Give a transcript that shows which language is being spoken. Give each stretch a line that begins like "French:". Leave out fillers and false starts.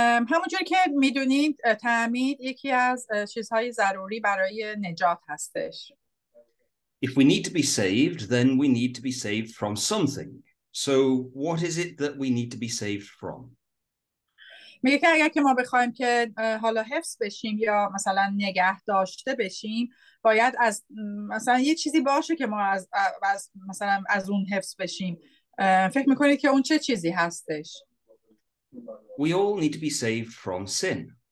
Persian: همونجوری که میدونید تعمید یکی از چیزهای ضروری برای نجات هستش.
English: If we need to be saved, then we need to be saved from something. So what is it that we need to be saved from?
Persian: میگه که اگر که ما بخوایم که حالا حفظ بشیم یا مثلا نگه داشته بشیم، باید از مثلا یه چیزی باشه که ما از مثلا از اون حفظ بشیم. فکر میکنید که اون چه چیزی هستش؟
English: We all need to be saved from sin.